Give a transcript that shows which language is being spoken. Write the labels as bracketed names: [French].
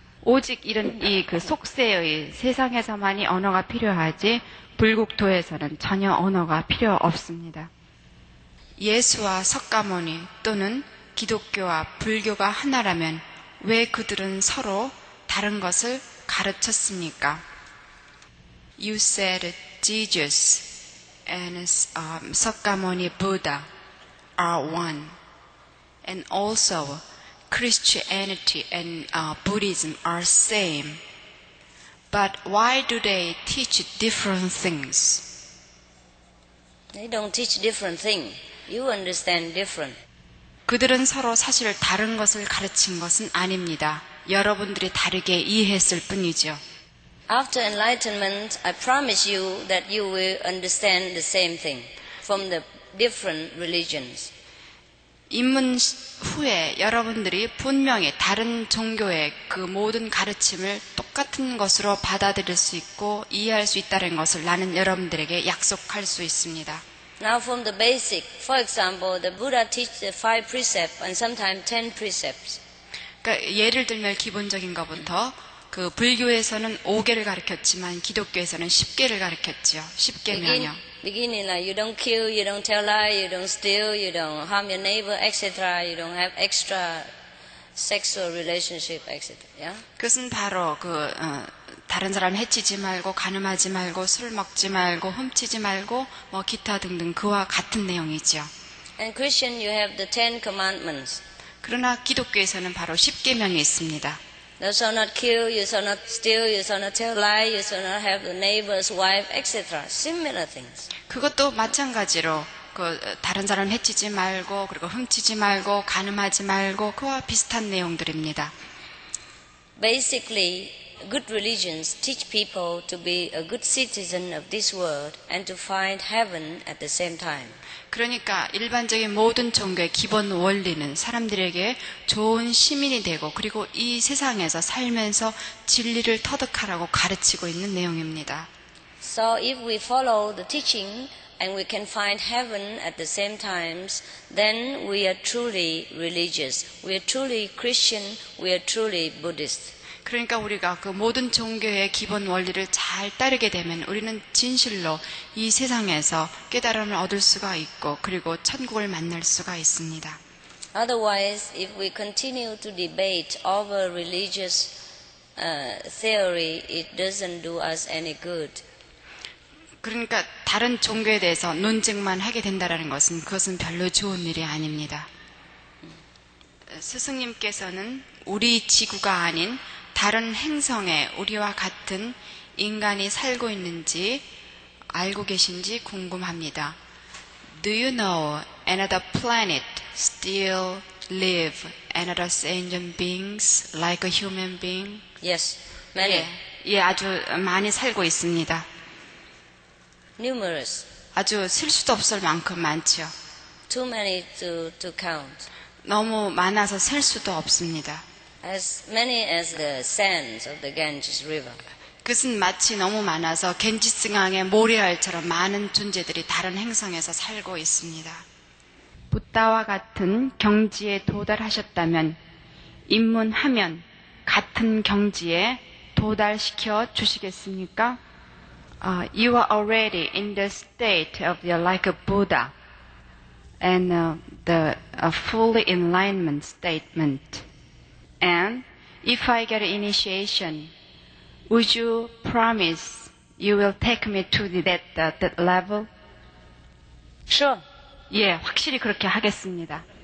[Korean] 오직 이런 속세의 세상에서만이 언어가 필요하지 불국토에서는 전혀 언어가 필요 없습니다. 예수와 석가모니 또는 기독교와 불교가 하나라면 왜 그들은 서로 다른 것을 가르쳤습니까? [English] You said Jesus and Sakyamuni Buddha are one. and also Christianity and Buddhism are same. But why do they teach different things? They don't teach different thing. You understand different. [Korean] 그들은 서로 사실 다른 것을 가르친 것은 아닙니다. 여러분들이 다르게 이해했을 뿐이죠. [English] After enlightenment, I promise you that you will understand the same thing from the different religions. [Korean] 입문 후에 여러분들이 분명히 다른 종교의 그 모든 가르침을 똑같은 것으로 받아들일 수 있고 이해할 수 있다는 것을 나는 여러분들에게 약속할 수 있습니다. [English] Now from the basic, for example, the Buddha teaches the five precepts and sometimes ten precepts. [Korean] 그러니까 예를 들면 기본적인 것부터 그 불교에서는 5개를 가르쳤지만 기독교에서는 10개를 가르쳤지요. 10계명이요. [English] Beginning, like you don't kill, you don't tell lie, you don't steal, you don't harm your neighbor, etc. You don't have extra sexual relationship, etc. Yeah. [Korean] 그것은 바로 그 다른 사람 해치지 말고 가늠하지 말고 술 먹지 말고 훔치지 말고 뭐 기타 등등 그와 같은 내용이지요. [English] And Christian, you have the Ten Commandments. [Korean] 그러나 기독교에서는 바로 10계명이 있습니다. [English] You shall not kill, you shall not steal, you shall not tell lies, you shall not have the neighbor's wife, etc. Similar things. [Korean] 그것도 마찬가지로 그 다른 사람 해치지 말고 그리고 훔치지 말고 가늠하지 말고 그와 비슷한 내용들입니다. [English] Basically, good religions teach people to be a good citizen of this world and to find heaven at the same time. [Korean] 그러니까 일반적인 모든 종교의 기본 원리는 사람들에게 좋은 시민이 되고 그리고 이 세상에서 살면서 진리를 터득하라고 가르치고 있는 내용입니다. [English] So if we follow the teaching and we can find heaven at the same times, then we are truly religious. We are truly Christian. We are truly Buddhist. [Korean] 그러니까 우리가 그 모든 종교의 기본 원리를 잘 따르게 되면 우리는 진실로 이 세상에서 깨달음을 얻을 수가 있고 그리고 천국을 만날 수가 있습니다. [English] Otherwise, if we continue to debate over religious theory, it doesn't do us any good. [Korean] 그러니까 다른 종교에 대해서 논쟁만 하게 된다라는 것은 그것은 별로 좋은 일이 아닙니다. 스승님께서는 우리 지구가 아닌 다른 행성에 우리와 같은 인간이 살고 있는지 알고 계신지 궁금합니다. [English] Do you know another planet still live another sentient beings like a human being? Yes, many. [Korean] 예, 예 아주 많이 살고 있습니다. [English] Numerous. [Korean] 아주 셀 수도 없을 만큼 많죠. [English] Too many to count. [Korean] 너무 많아서 셀 수도 없습니다. [English] As many as the sands of the Ganges River. [Korean] 그것은 마치 너무 많아서 겐지스강의 모래알처럼 많은 존재들이 다른 행성에서 살고 있습니다. 부다와 같은 경지에 도달하셨다면 입문하면 같은 경지에 도달시켜 주시겠습니까? [English] You are already in the state of your like a Buddha and the fully enlightenment statement. And if I get initiation, would you promise you will take me to that level? Sure. [Korean] 예, 확실히 그렇게 하겠습니다.